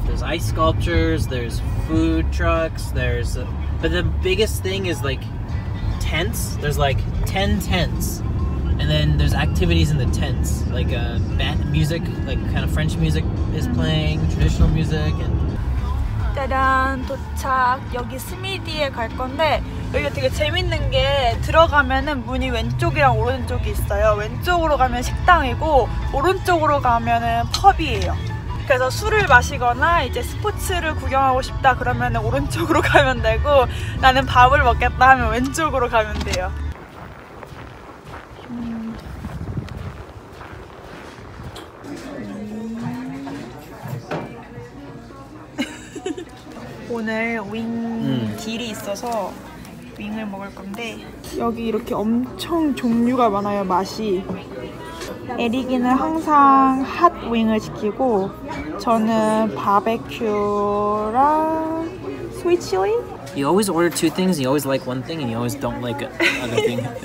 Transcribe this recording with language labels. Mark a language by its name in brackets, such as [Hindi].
[English] There's ice sculptures, there's food trucks, but the biggest thing is like tents. There's like 10 tents. And then there's activities in the tents, like music, like kind of French music is playing, traditional music. And... [Korean] 짜잔, 도착. 여기 스미디에 갈 건데 여기가 되게 재밌는 게 들어가면은 문이 왼쪽이랑 오른쪽이 있어요. 왼쪽으로 가면 식당이고 오른쪽으로 가면은 펍이에요. 그래서 술을 마시거나 이제 스포츠를 구경하고 싶다 그러면은 오른쪽으로 가면 되고 나는 밥을 먹겠다 하면 왼쪽으로 가면 돼요. 오늘 윙 딜이 있어서 윙을 먹을 건데 여기 이렇게 엄청 종류가 많아요. 맛이 에릭이는 항상 핫 윙을 시키고 저는 바베큐랑 스윗 칠리. [English] You always order two things. You always like one thing, and you always don't like other thing.